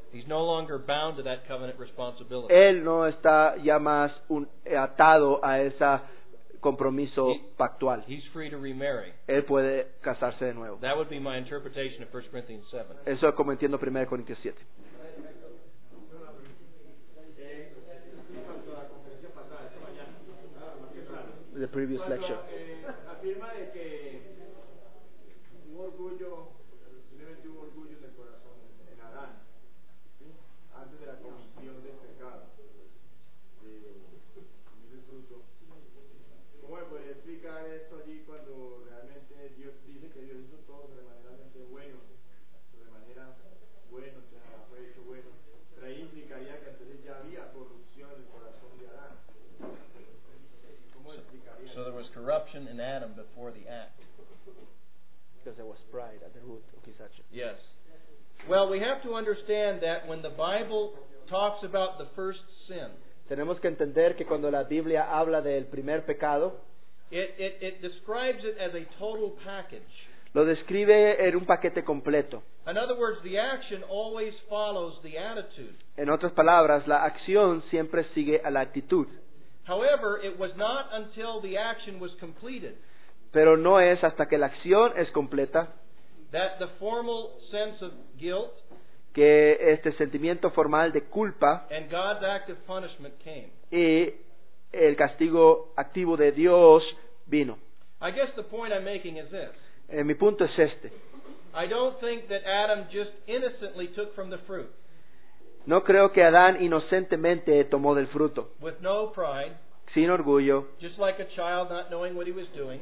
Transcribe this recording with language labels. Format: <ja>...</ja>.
<en>He's no longer bound to that covenant responsibility.</en> <es>Él no está ya más atado a esa compromiso pactual.</es> <en>He's free to remarry.</en> <es>Él puede casarse de nuevo.</es> <en>That would be my interpretation of 1 Corinthians 7.</en> <es>Eso es como entiendo 1 Corintios 7.</es> <en>The previous lecture.</en> <es>Afirma de que un orgullo debe tener un orgullo en el corazón en Adán, ¿sí? Antes de la comisión del pecado, de comer el fruto. ¿Cómo se puede explicar esto allí cuando realmente Dios dice que Dios hizo todo de manera bueno, de manera buena, o sea, fue hecho bueno? Pero ahí implicaría que entonces ya había corrupción en el corazón de Adán.</es> <en>So there was corruption in Adam before the act. Because there was pride at the root of his action. Yes. Well, we have to understand that when the Bible talks about the first sin,</en> <es>tenemos que entender que cuando la Biblia habla del primer pecado,</es> <en>it describes it as a total package.</en> <es>Lo describe en un paquete completo.</es> <en>In other words, the action always follows the attitude.</en> <es>En otras palabras, la acción siempre sigue a la actitud.</es> <en>However, it was not until the action was completed.</en> <es>Pero no es hasta que la acción es completa.</es> <en>That the formal sense of guilt,</en> <es>que este sentimiento formal de culpa,</es> <en>and God's active punishment came.</en> <es>Y el castigo activo de Dios vino.</es> <en>I guess the point I'm making is this.</en> <es>Mi punto es este.</es> <en>I don't think that Adam just innocently took from the fruit.</en> <es>No creo que Adán inocentemente tomó del fruto.</es> <en>With no pride,</en> <es>sin orgullo.</es> <en>Just like a child not knowing what he was doing,</en>